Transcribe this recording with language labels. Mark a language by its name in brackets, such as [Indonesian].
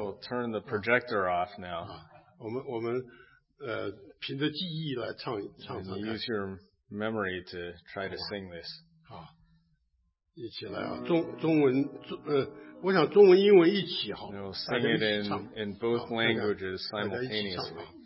[English] We'll turn the projector off now. [Chinese] 我们凭着记忆来唱唱唱。 [English] Use your memory to try to sing this. [Chinese] 好，一起来啊，中文，我想中文英文一起好。 [English] We'll sing it in both languages simultaneously.